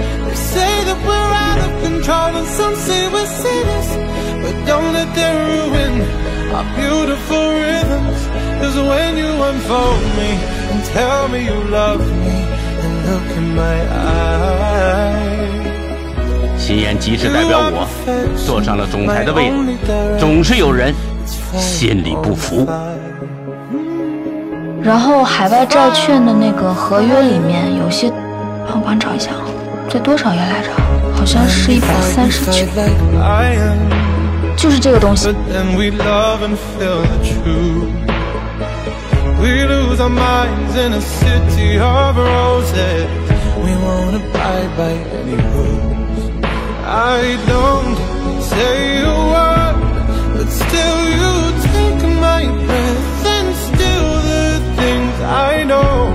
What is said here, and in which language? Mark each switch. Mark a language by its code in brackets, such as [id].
[en] They say that we're out of control, and some say we're sinners. But don't let them ruin our beautiful rhythms. is when you unfold me and tell me you love me and look in my eyes. [zh] 心言即是代表我坐上了总裁的位置，总是有人心里不服。然后海外债券的那个合约里面有些，我帮你找一下，在多少页来着，好像是139，就是这个东西。 [en] But then we love and feel the truth. We lose our minds in a city of roses. We won't abide by any rules. I don't say a word, but still you take my breath and steal the things I know.